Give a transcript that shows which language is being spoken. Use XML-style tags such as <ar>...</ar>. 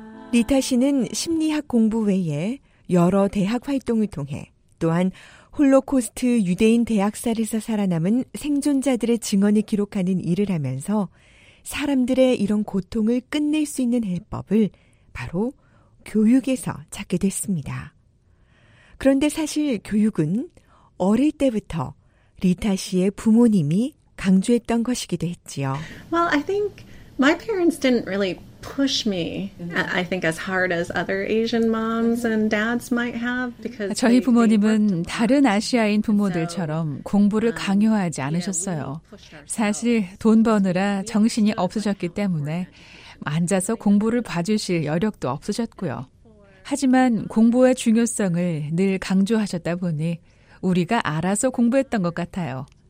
<ko>리타 씨는 심리학 공부 외에 여러 대학 활동을 통해 또한 홀로코스트 유대인 대학살에서 살아남은 생존자들의 증언을 기록하는 일을 하면서 사람들의 이런 고통을 끝낼 수 있는 해법을 바로 교육에서 찾게 됐습니다. 그런데 사실 교육은 어릴 때부터 리타 씨의 부모님이 강조했던 것이기도 했지요.</ko> <en>Well, I think my parents didn't really push me. I think as hard as other Asian moms and dads might have because</en> <ko>저희 부모님은 다른 아시아인 부모들처럼 공부를 강요하지 않으셨어요. 사실 돈 버느라 정신이 없으셨기 때문에 앉아서 공부를 봐주실 여력도 없으셨고요. 하지만 공부의 중요성을 늘 강조하셨다 보니 우리가 알아서 공부했던 것 같아요.</ko>